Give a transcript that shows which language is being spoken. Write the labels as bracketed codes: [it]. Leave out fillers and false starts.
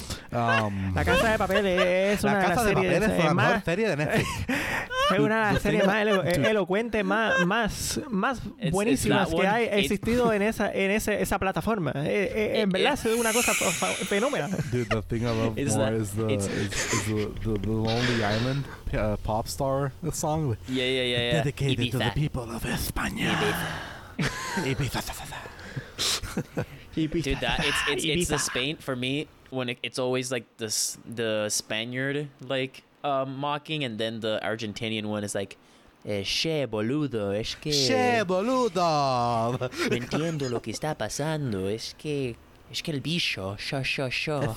[es] La Casa de Papel es una serie de Netflix. Es una serie más elocuente, más buenísimas que ha existido en esa plataforma. En verdad es una cosa fenómena. [en] Dude, the thing I love is more that, is the Lonely Island pop star song. Yeah. Dedicated Ibiza. To the people of España. It's the Spain for me. When it's always like the Spaniard like mocking, and then the Argentinian one is like, [es] che boludo, es que. Che boludo! No entiendo lo que está pasando, es que el bicho, sho.